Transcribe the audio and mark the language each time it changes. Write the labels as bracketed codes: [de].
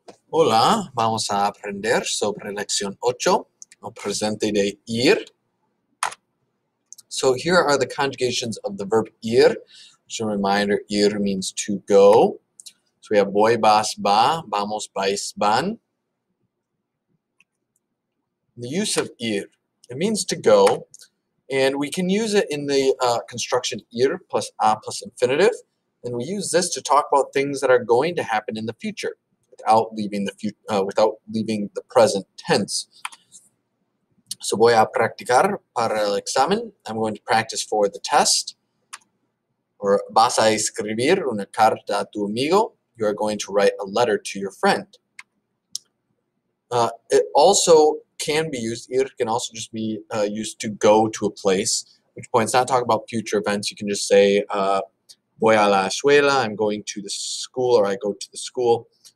[es] Hola, vamos a aprender sobre lección 8, el presente de ir. [en] So here are the conjugations of the verb ir. Just a reminder, ir means to go. So we have voy, vas, va, vamos, vais, van. The use of ir, it means to go, and we can use it in the construction ir plus a plus infinitive, and we use this to talk about things that are going to happen in the future. Without leaving the without leaving the present tense. So [es] voy a practicar para el examen. [en] I'm going to practice for the test. [es] Or vas a escribir una carta a tu amigo. [en] You are going to write a letter to your friend. It also can be used, ir can also just be used to go to a place, which points not talk about future events. You can just say [es] voy a la escuela, [en] I'm going to the school, or I go to the school.